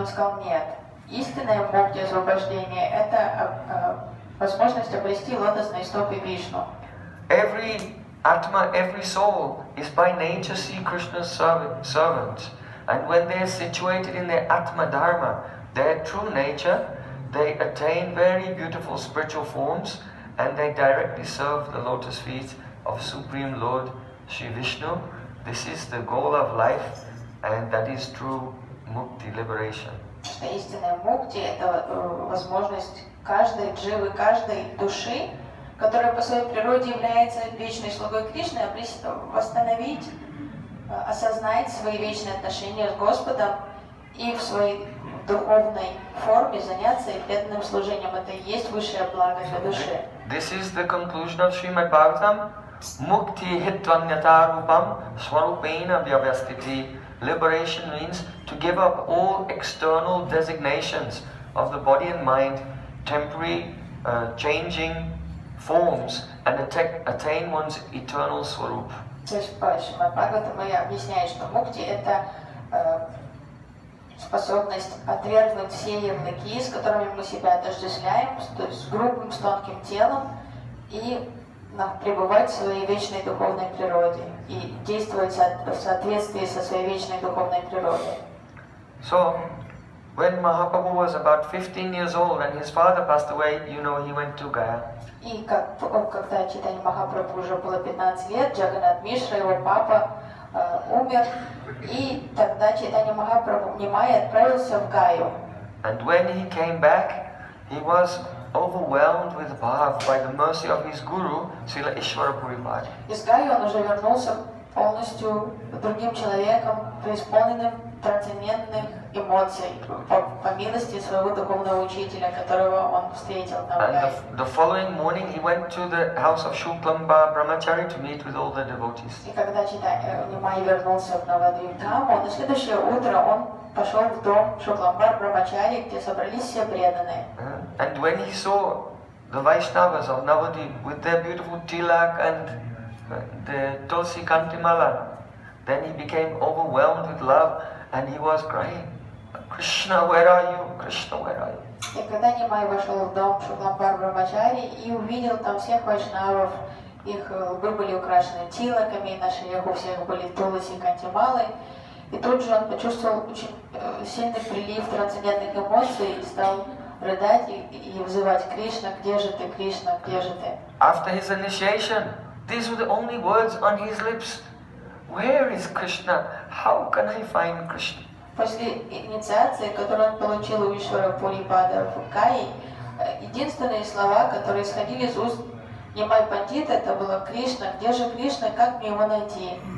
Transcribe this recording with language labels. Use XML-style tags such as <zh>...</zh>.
<ru>Он сказал, нет, истинное мукти освобождение – это возможность обрести лотосные стопы Вишну.</ru> <en>Every atma, every soul is by nature see Krishna's servant. And when they are situated in their atma dharma, their true nature, they attain very beautiful spiritual forms and they directly serve the lotus feet of Supreme Lord Sri Vishnu. This is the goal of life and that is true mukti liberation.</en> <ru>Что истинная мукти – это возможность каждой дживы, каждой души, которая по своей природе является вечной слугой Кришны, восстановить, осознать свои вечные отношения с Господом и в своей духовной форме заняться преданным служением. Это и есть высшее благо для души.</ru> <en>This is the conclusion of Srimad Bhagavatam.</en> <sa>Mukti hitvanyata rupam swarupena vyavastiti.</sa> <en>Liberation means to give up all external designations of the body and mind, temporary, changing forms, and attain one's eternal swarup.</en> <ru>То есть, по-моему, Бхагавата объясняет, что мукти – это способность отвергнуть все явлики, с которыми мы себя отождествляем, то есть с грубым, с тонким телом, и пребывать в своей вечной духовной природе и действовать в соответствии со своей вечной духовной природой.</ru> <en>So, when Mahaprabhu was about 15 years old and his father passed away, you know, he went to Gaya.</en> <ru>И когда Читани Махапрабху уже было 15 лет, Джаганнат Мишра, его папа, умер, и тогда Читани Махапрабху, внимая, отправился в Гаю.</ru> <en>And when he came back, he was overwhelmed with bhava by the mercy of his guru, Srila Ishvara Puripada.</en> <ru>Из Гаю он уже вернулся полностью другим человеком, преисполненным трансцендентных эмоций по милости своего духовного учителя, которого он встретил там.</ru> <en>And the following morning he went to the house of Shuklamba Brahmachari to meet with all the devotees.</en> <ru>И когда Читани вернулся в Навадвипа, на следующее утро он пошел в дом Шукламбар Брамачари, где собрались все преданные.</ru> <en>And when he saw the Vaishnavas of Navadvip with their beautiful tilak and the tulsi kantimala, then he became overwhelmed with love and he was crying, Krishna, where are you? Krishna, where are you?</en> <ru>И когда Нимай вошел в дом Шукламбар Брамачари и увидел там всех вайшнавов, их лбы были украшены тилаками, на шеях у всех были тулси кантималы, и тут же он почувствовал очень сильный прилив трансцендентных эмоций и стал рыдать и вызывать Кришна, где же ты, Кришна, где же ты?</ru> <en>After his initiation, these were the only words on his lips. Where is Krishna? How can I find Krishna?</en> <ru>После инициации, которую он получил у Ишвара Пурипада в Кае, единственные слова, которые исходили из уст Нимай Пандита, это было Кришна, где же Кришна, как мне его найти?</ru>